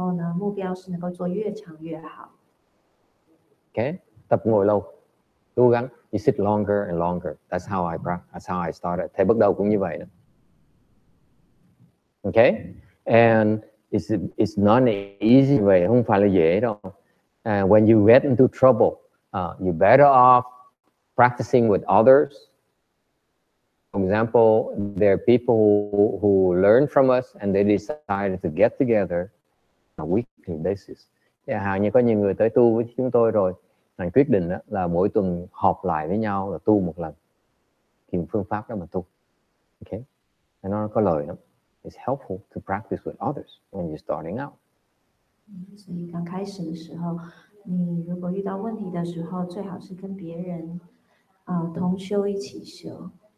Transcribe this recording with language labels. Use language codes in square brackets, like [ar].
[zh] 所以你可以从打坐先开始，然后呢，目标是能够做越长越好。 [en] Okay, [vi] tập ngồi lâu, cố gắng. [en] You sit longer and longer. That's how I practice. That's how I started. [vi] Thế bắt đầu cũng như vậy đó. [en] Okay, and it's not an easy way. [vi] Không phải là dễ đâu. [en] When you get into trouble, you better off practicing with others. For example, there are people who learn from us and they decided to get together on a weekly basis. [vi] Yeah, hầu như có nhiều người tới tu với chúng tôi rồi, và quyết định đó là mỗi tuần họp lại với nhau là tu một lần, tìm phương pháp đó mà tu. Okay, and nó có lợi lắm. [en] It's helpful to practice with others when you're starting out. [zh] 所以刚开始的时候，你如果遇到问题的时候，最好是跟别人同修一起修。